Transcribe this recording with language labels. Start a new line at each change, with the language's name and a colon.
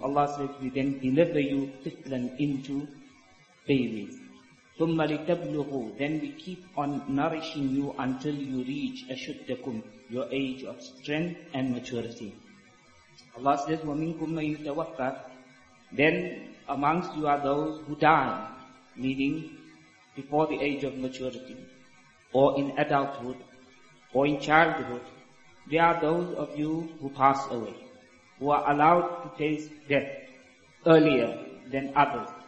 English: Allah says, we then deliver you tiflan into babies.
Arabic: ثُمَّ لِتَبْلُغُوا.
English: Then we keep on nourishing you until you reach أَشُدَّكُمْ, your age of strength and maturity. Allah says,
Arabic: وَمِنْكُمْ مَنْ يُتَوَفَّى.
English: Then amongst you are those who die, meaning before the age of maturity, or in adulthood, or in childhood. There are those of you who pass away, who are allowed to taste death earlier than others.